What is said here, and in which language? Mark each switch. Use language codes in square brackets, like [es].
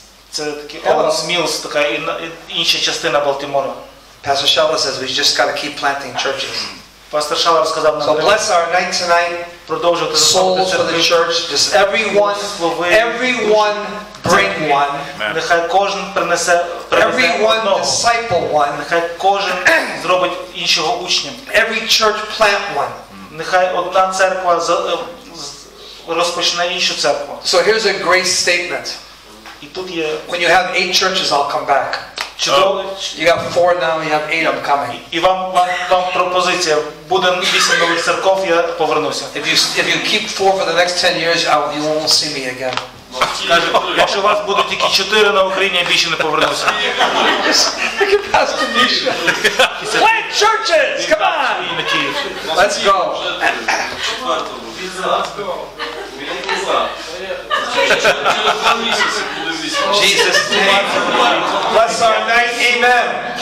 [uk] Це Owings Mills, така інша частина Балтимора. [en] Pastor Shalvar says, we just got to keep planting churches. [uk] Pastor Shalvar сказав нам, [en] so bless our night tonight. [uk] Продовжуйте [en] souls for the church. Just everyone bring one. [uk] Нехай кожен принесе одного. [en] Everyone disciple one. [uk] Нехай кожен зробить іншого учнем. [en] Every church plant one. [uk] Нехай одна церква розпочне іншу церкву. [en] So here's a great statement. [uk] І тут є. [en] When you have 8 churches, I'll come back. You got 4 now, you have 8, I'm coming. [uk] І вам пропозиція. Буде 8 нових церков, я повернуся. [en] If you keep 4 for the next 10 years, you won't see me again. [uk] Якщо у вас буде тільки 4 на Україні, я більше не повернуся. [en] Look at Pastor Misha. Plant churches! Come on! Let's go. Jesus name. Bless our night. Amen.